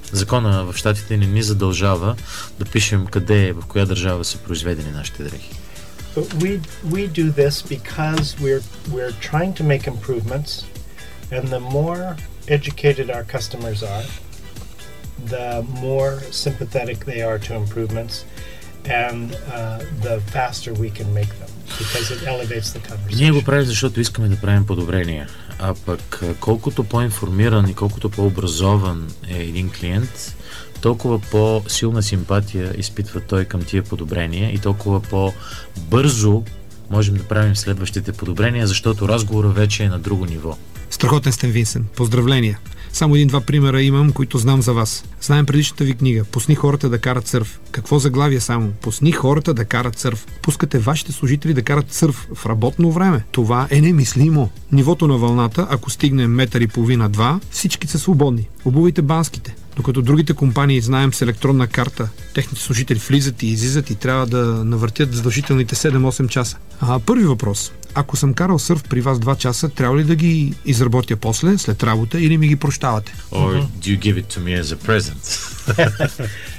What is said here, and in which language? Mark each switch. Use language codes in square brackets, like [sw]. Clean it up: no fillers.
[bg] Закона в щатите не ни задължава да пишем къде и в коя държава са произведени нашите дрехи. [en] But we do this because we're trying to make improvements, and the more educated our customers are, the more sympathetic they are to improvements, and the faster we can make them, because it elevates the conversation. [bg] Ние го правим, защото искаме да правим подобрения. А пък колкото по-информиран и колкото по-образован е един клиент, толкова по-силна симпатия изпитва той към тия подобрения и толкова по-бързо можем да правим следващите подобрения, защото разговора вече е на друго ниво. Страхотен сте, Винсен. Поздравления! Само един-два примера имам, които знам за вас. Знаем предишната ви книга «Пусни хората да карат сърф». Какво заглавие само? «Пусни хората да карат сърф». Пускате вашите служители да карат сърф в работно време. Това е немислимо. Нивото на вълната, ако стигне 1,5-2 метра, всички са свободни. Обувайте банските. Докато другите компании, знаем, с електронна карта, техните служители влизат и излизат и трябва да навъртят задължителните 7-8 часа. Първи въпрос. Ако съм карал сърф при вас 2 часа, трябва ли да ги изработя после, след работа, или ми ги прощавате? [en] Or do you give it to me as a present?